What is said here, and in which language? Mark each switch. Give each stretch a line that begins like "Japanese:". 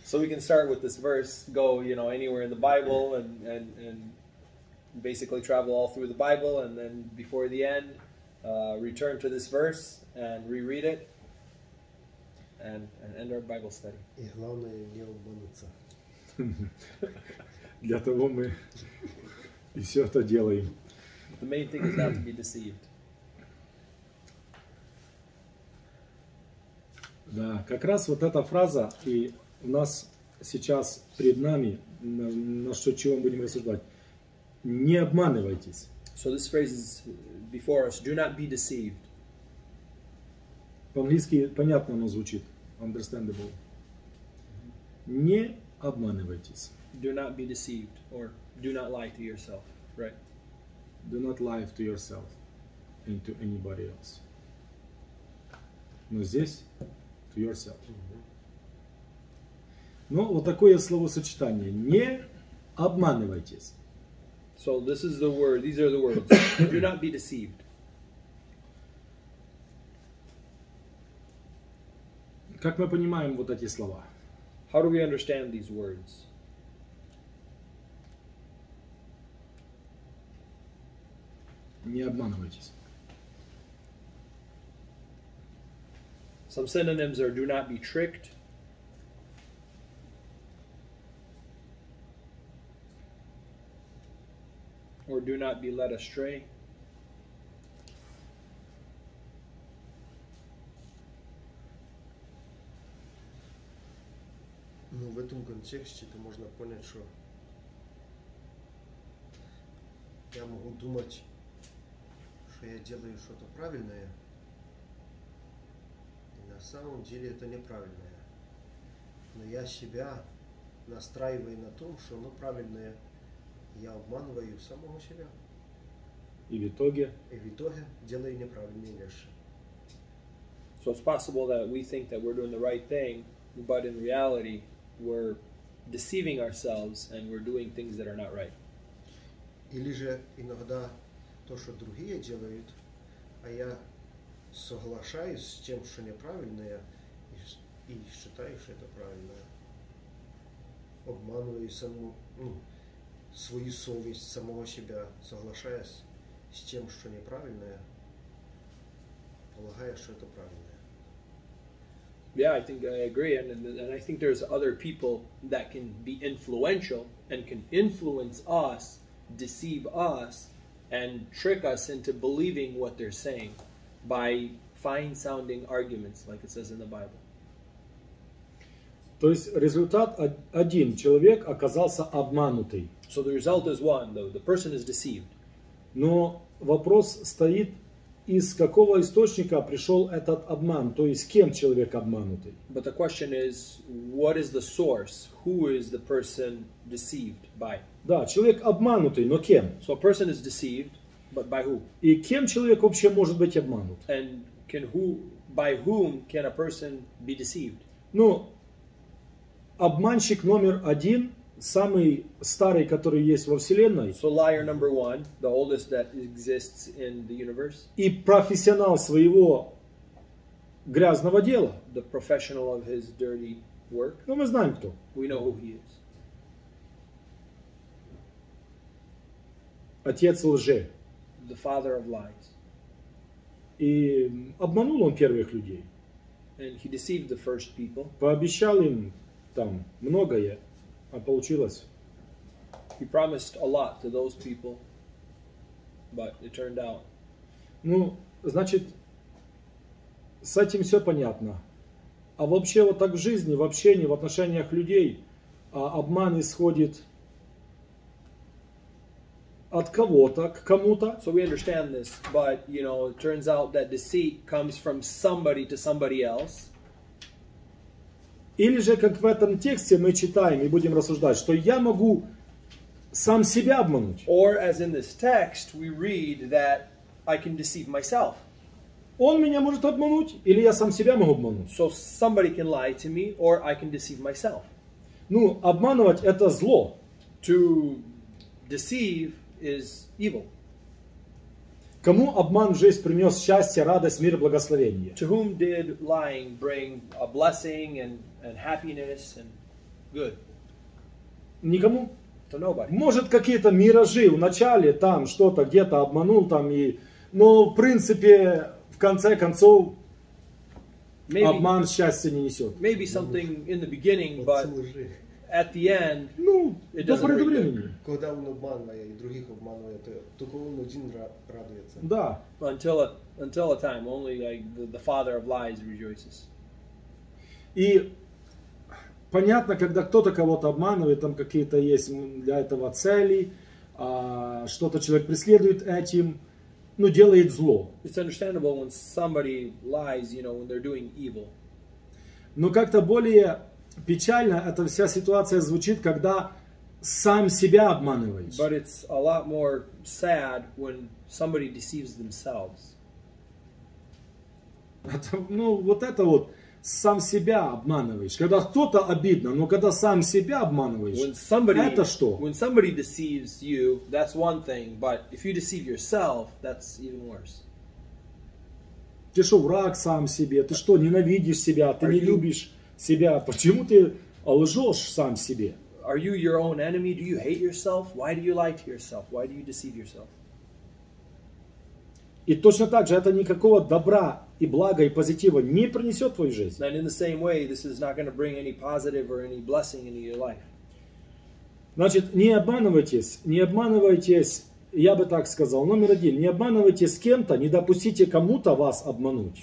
English: So we can start with this verse, go, you know, anywhere in the Bible and basically travel all through the Bible and then before the end, return to this verse and reread it and end our Bible study.
Russian: И главное не обмануться. Для того мы и все это делаем.
English: The main thing is not to be deceived.
Russian: Да, как раз вот эта фраза и у нас сейчас перед нами, на что чего мы будем рассуждать. Не обманывайтесь.
English: So this phrase is before us. Do not be deceived.
Russian: По-английски понятно оно звучит.
English: Understandable.
Russian: Mm-hmm. Не обманывайтесь.
English: Do not be deceived, or do not lie to yourself, right? Do not lie to yourself and to anybody else.
Russian: Но здесь,
English: to yourself.
Russian: Ну, вот такое словосочетание. Не обманывайтесь.
English: So this is the word, these are the words. Do not be deceived.
Russian: Как мы понимаем вот эти слова?
English: How do we understand these words?
Russian: Не обманывайтесь.
English: Some synonyms are do not be tricked. Or do not be led astray.
Russian: Ну, в этом контексте то можно понять, что я могу думать, я делаю что-то правильное, и на самом деле это неправильное. Но я себя настраиваю на том, что оно правильное, я обманываю самого себя. И в итоге делаю неправильные вещи.
English: So it's possible that we think that we're doing the right thing, but in reality we're deceiving ourselves and we're doing things that are not right.
Russian: Или же иногда то, что другие делают, а я соглашаюсь с тем, что неправильное, и считаю, что это правильное. Обманываю саму, свою совесть, самого себя, соглашаясь с тем, что неправильное, полагая, что это правильное.
English: Yeah, I think I agree, and I think there's other people that can be influential and can influence us, deceive us, and trick us into believing what they're saying by fine-sounding arguments, like it says in the Bible.
Russian: То есть результат один, человек оказался обманутый.
English: So the result is one, though the person is deceived.
Russian: Но вопрос стоит. Из какого источника пришел этот обман? То есть, кем человек обманутый?
English: But the question is, what is the source? Who is the person deceived by?
Russian: Да, человек обманутый, но кем?
English: So a person is deceived, but by who?
Russian: И кем человек вообще может быть обманут?
English: And can who, by whom can a person be deceived?
Russian: Ну, обманщик номер один, самый старый, который есть во Вселенной.
English: So liar number one, the oldest that exists in the universe.
Russian: И профессионал своего грязного дела.
English: The professional of his dirty work.
Russian: Ну, мы знаем, кто.
English: We know who he is.
Russian: Отец лжи.
English: The father of lies.
Russian: И обманул он первых людей.
English: And he deceived the first people.
Russian: Пообещал им там многое. А получилось.
English: He promised a lot to those people, but it turned out.
Russian: Ну, значит, с этим все понятно. А вообще вот так в жизни, в общении, в отношениях людей, обман исходит от кого-то к кому-то.
English: So we understand this, but, you know, it turns out that deceit comes from somebody to somebody else.
Russian: Или же, как в этом тексте мы читаем и будем рассуждать, что я могу сам себя обмануть.
English: Or as in this text, we read that I can deceive myself.
Russian: Он меня может обмануть, или я сам себя могу обмануть.
English: So somebody can lie to me, or I can deceive myself.
Russian: Ну, обманывать это зло.
English: To deceive is evil.
Russian: Кому обман в жизнь принес счастье, радость, мир, благословение?
English: To whom did lying bring a blessing and happiness and good?
Russian: Никому.
English: To nobody.
Russian: Может, какие-то миражи в начале там что-то где-то обманул там и, но в принципе в конце концов
English: maybe,
Russian: обман счастья не несет.
English: Maybe something in the beginning, but at the end, ну, it doesn't bring good.
Russian: Когда он обманывает и других обманывает, только он один радуется. Да.
English: Until a time, only like the father of lies rejoices.
Russian: И понятно, когда кто-то кого-то обманывает, там какие-то есть для этого цели, что-то человек преследует этим, ну, делает зло.
English: It's understandable when somebody lies, you know, when they're doing evil.
Russian: Но как-то более печально эта вся ситуация звучит, когда сам себя обманываешь.
English: But it's a lot more sad when somebody deceives themselves.
Russian: Это, ну, вот это вот. Сам себя обманываешь. Когда кто-то обидно, но когда сам себя обманываешь, это что?
English: When somebody deceives you, that's one thing, but if you deceive yourself, that's even worse.
Russian: Ты что, враг сам себе? Ты что, ненавидишь себя? Ты не любишь себя? Почему ты лжешь сам себе?
English: Are you your own enemy? Do you hate yourself? Why do you lie to yourself? Why do you deceive yourself?
Russian: И точно так же, это никакого добра и блага, и позитива не принесет в твою жизнь.
English: And in the same way, this is not going to bring any positive or any blessing into your life.
Russian: Значит, не обманывайтесь, я бы так сказал, номер один, не обманывайтесь кем-то, не допустите кому-то вас обмануть.